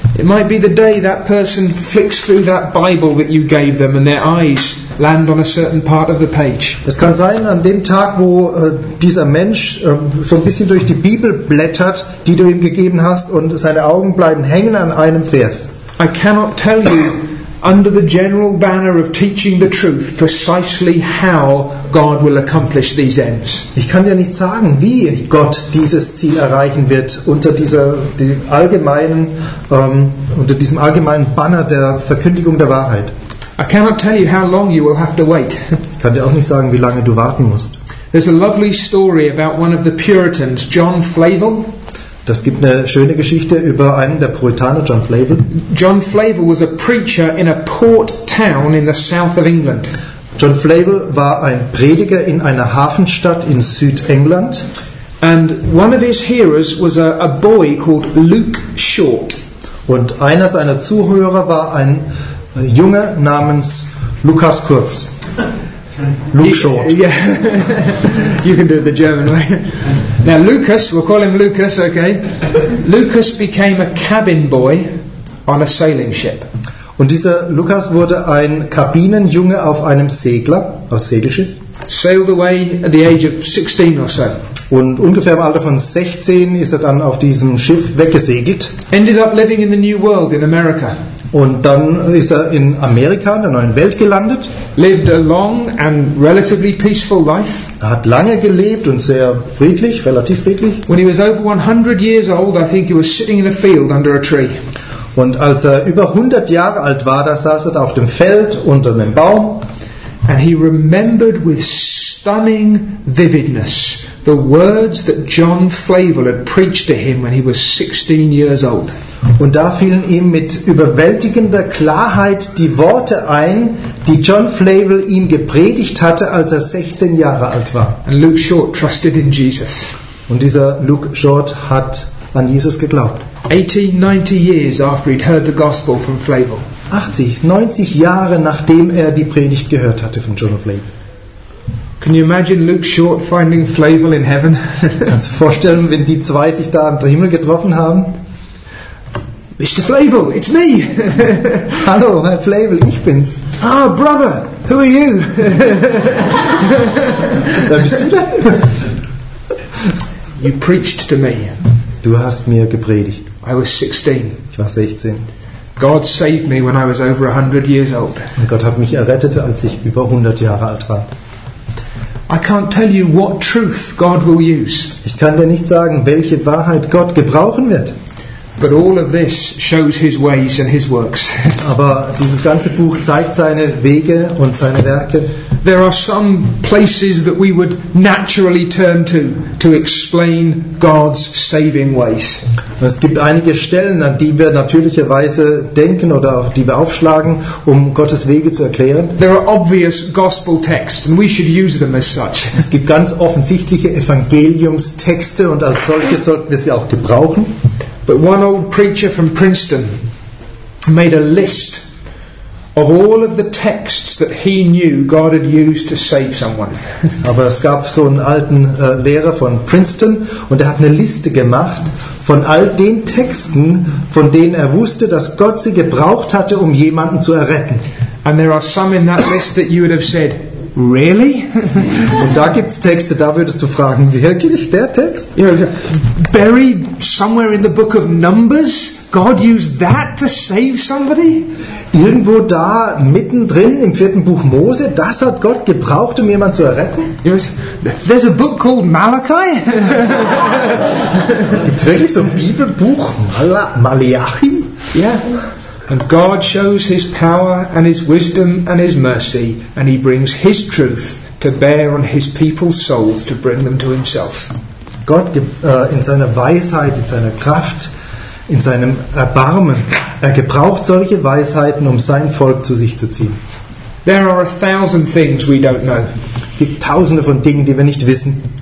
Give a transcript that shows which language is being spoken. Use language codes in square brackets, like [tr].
[en] It might be the day that person flicks through that Bible that you gave them and their eyes land on a certain part of the page. [de] Es kann sein, an dem Tag, wo dieser Mensch so ein bisschen durch die Bibel blättert, die du ihm gegeben hast, und seine Augen bleiben hängen an einem Vers. [en] I cannot tell you, under the general banner of teaching the truth, precisely how God will accomplish these ends. [de] Ich kann dir nicht sagen, wie Gott dieses Ziel erreichen wird unter dieser unter diesem allgemeinen Banner der Verkündigung der Wahrheit. [en] I cannot tell you how long you will have to wait. [de] Ich kann dir auch nicht sagen, wie lange du warten musst. [en] There's a lovely story about one of the Puritans, John Flavel. [de] Das gibt eine schöne Geschichte über einen der Puritaner, John Flavel. [en] John Flavel was a preacher in a port town in the south of England. [de] John Flavel war ein Prediger in einer Hafenstadt in Südengland. [en] And one of his hearers was a boy called Luke Short. [de] Und einer seiner Zuhörer war ein Junge namens Lukas Kurz. [en] Luke Short. Yeah. You can do it the German way. Now Lucas, we'll call him Lucas, okay? Lucas became a cabin boy on a sailing ship. [de] Und dieser Lukas wurde ein Kabinenjunge auf einem Segler, auf Segelschiff. [en] Sailed away at the age of 16 or so. [de] Und ungefähr im Alter von 16 ist dann auf diesem Schiff weggesegelt. [en] Ended up living in the New World in America. [de] Und dann ist in Amerika, in der neuen Welt gelandet. [en] Lived a long and relatively peaceful life. [de] Er hat lange gelebt und sehr friedlich, relativ friedlich. [en] When he was over 100 years old, I think he was sitting in a field under a tree. [de] Und als über 100 Jahre alt war, da saß da auf dem Feld unter einem Baum. [en] And he remembered with stunning vividness the words that John Flavel had preached to him when he was 16 years old. [de] Und da fielen ihm mit überwältigender Klarheit die Worte ein, die John Flavel ihm gepredigt hatte, als 16 Jahre alt war. [en] And Luke Short trusted in Jesus. [de] Und dieser Luke Short hat an Jesus geglaubt. [en] 80-90 years after he'd heard the gospel from Flavel. [de] 80-90 Jahre nachdem die Predigt gehört hatte von John Flavel. [en] Can you imagine Luke Short finding Flavel in heaven? [de] Kannst du vorstellen, wenn die zwei sich da im Himmel getroffen haben? [en] Mr. Flavel, it's me. [de] Hallo, Herr Flavel, ich bin's. [en] Ah, brother, who are you? [de] Wer bist du denn? [en] You preached to me. [de] Du hast mir gepredigt. [en] I was 16. [de] Ich war 16. [en] God saved me when I was over 100 years old. [de] Und Gott hat mich errettet, als ich über 100 Jahre alt war. [en] I can't tell you what truth God will use. [de] Ich kann dir nicht sagen, welche Wahrheit Gott gebrauchen wird. [en] But all of this shows his ways and his works. [de] Aber dieses ganze Buch zeigt seine Wege und seine Werke. [en] There are some places that we would naturally turn to explain God's saving ways. [de] Es gibt einige Stellen, an die wir natürlicherweise denken oder auf die wir aufschlagen, um Gottes Wege zu erklären. [en] There are obvious gospel texts and we should use them as such. [de] Es gibt ganz offensichtliche Evangeliumstexte und als solche sollten wir sie auch gebrauchen. [en] But one old preacher from Princeton made a list of all of the texts that he knew God had used to save someone. [de] Aber es gab so einen alten Lehrer von Princeton und hat eine Liste gemacht von all den Texten, von denen wusste, dass Gott sie gebraucht hatte, jemanden zu erretten. [en] And there are some in that list that you would have said, really? [de] Und da gibt's Texte, da würdest du fragen, wirklich der Text? [en] You know, buried somewhere in the book of Numbers, God used that to save somebody? [de] Irgendwo da mittendrin im vierten Buch Mose, das hat Gott gebraucht, jemanden zu erretten? [en] You know, there's a book called Malachi? [de] Gibt's wirklich so ein Bibelbuch Malachi? [en] Yeah. And God shows his power and his wisdom and his mercy and he brings his truth to bear on his people's souls to bring them to himself. [de] Gott in seiner Weisheit, in seiner Kraft, in seinem Erbarmen, gebraucht solche Weisheiten, sein Volk zu sich zu ziehen. [en] There are a thousand things we don't know. [de] Es gibt tausende von Dingen, die wir nicht wissen.